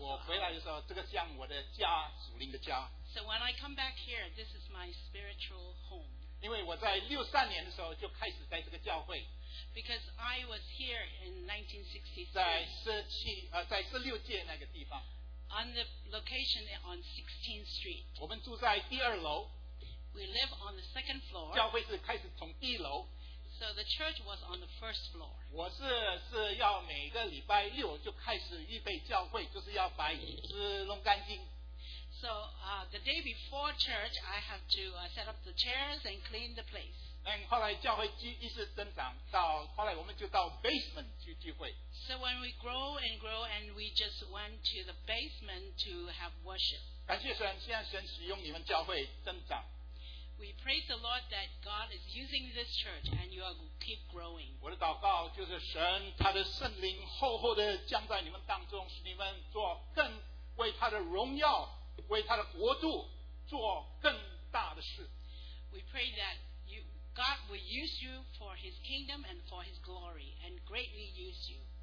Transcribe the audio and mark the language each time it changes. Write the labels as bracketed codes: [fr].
[zh] 我回来的时候，这个像我的家，属灵的家。 [en] So when I come back here, this is my spiritual home. [zh] 因为我在63年的时候就开始在这个教会。 [en] Because I was here in 1963. [zh] 在16街那个地方。 [en] On the location on 16th Street. [zh] 我们住在第二楼。 [en] We live on the second floor. [zh] 教会是开始从一楼。 [en] So the church was on the first floor. [zh] 我是要每个礼拜六就开始预备教会，就是要把椅子弄干净。 [en] So the day before church, I have to set up the chairs and clean the place. [zh] 后来教会一直增长，到后来我们就到 basement 去聚会。 [en] So when we grow and grow, and we just went to the basement to have worship. [zh] 感谢神，现在神使用你们教会增长。 [en] We praise the Lord that God is using this church and you are keep growing. [zh] 我的祷告就是神，他的圣灵厚厚的降在你们当中，使你们做更为他的荣耀。为他的国度做更大的事。 [en] We pray that God will use you for His kingdom and for His glory, and greatly use you.